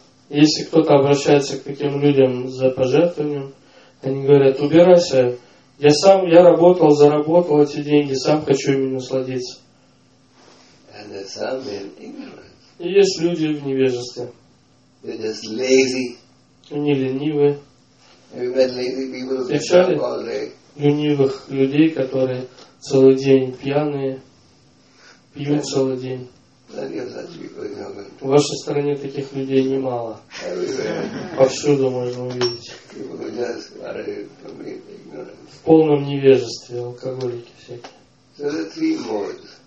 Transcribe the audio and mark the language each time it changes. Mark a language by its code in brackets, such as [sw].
[ru] Если кто-то обращается к таким людям за пожертвованием, они говорят, убирайся. Я сам, я работал, заработал эти деньги, сам хочу ими насладиться. [en] And some in ignorance. [ru] И есть люди в невежестве. [en] They're just lazy. [ru] Они ленивы. [en] Have you met lazy people who are all day? [ru] Ленивых людей, которые целый день пьяные, пьют целый день. В вашей стране таких людей немало. Повсюду можно увидеть. В полном невежестве алкоголики всякие.